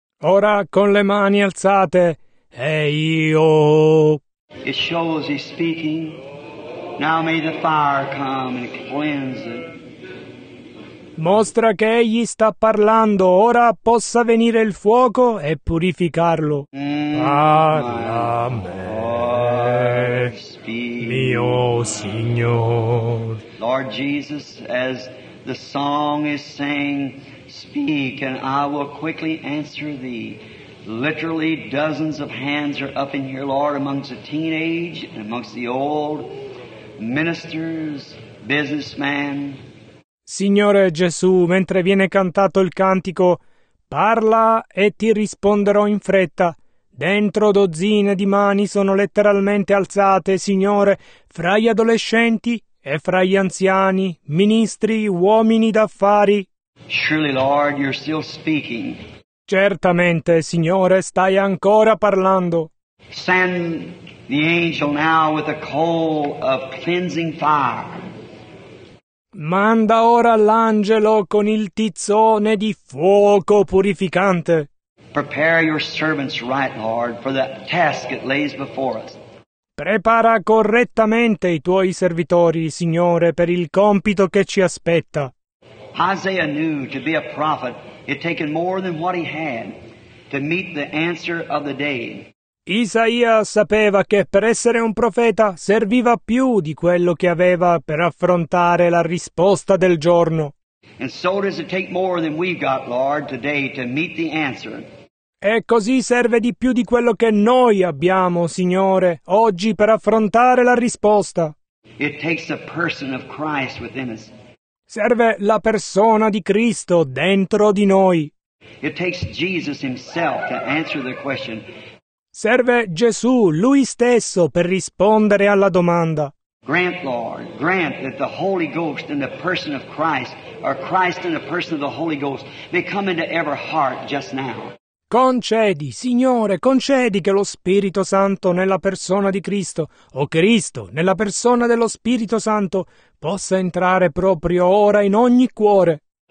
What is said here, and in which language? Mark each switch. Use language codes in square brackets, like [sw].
[it] Ora con le mani alzate e io. [en] It shows he's speaking. Now may the fire come and cleanse it. [it] Mostra che egli sta parlando. Ora possa venire il fuoco e purificarlo. Parla a me, mio Signore. [en] Lord Jesus, as the song is saying, speak and I will quickly answer thee. Literally, dozens of hands are up in here, Lord, amongst the teenage and amongst the old, ministers, businessmen. [it] Signore Gesù, mentre viene cantato il cantico, parla e ti risponderò in fretta. Dentro dozzine di mani sono letteralmente alzate, Signore, fra gli adolescenti e fra gli anziani, ministri, uomini d'affari. [en] Surely, Lord, you're still speaking. [it] Certamente, Signore, stai ancora parlando. [en] Send the angel now with a coal of cleansing fire. [it] Manda ora l'angelo con il tizzone di fuoco purificante. [en] Prepare your servants right, Lord, for the task that lays before us. [it] Prepara correttamente i tuoi servitori, Signore, per il compito che ci aspetta. [en] Isaiah knew to be a prophet it taken more than what he had to meet the answer of the day. [it] Isaia sapeva che per essere un profeta serviva più di quello che aveva per affrontare la risposta del giorno. [en] And so does it take more than we've got, Lord, today to meet the answer. [it] E così serve di più di quello che noi abbiamo, Signore, oggi per affrontare la risposta. [en] It takes a person of Christ within us. [it] Serve la persona di Cristo dentro di noi. [en] It takes Jesus himself to answer the question. [it] Serve Gesù, Lui stesso, per rispondere alla domanda. [en] Grant, Lord, grant that the Holy Ghost in the person of Christ, or Christ in the person of the Holy Ghost, may come into every heart just now. [it] Concedi, Signore, concedi che lo Spirito Santo nella persona di Cristo, o Cristo nella persona dello Spirito Santo, possa entrare proprio ora in ogni cuore.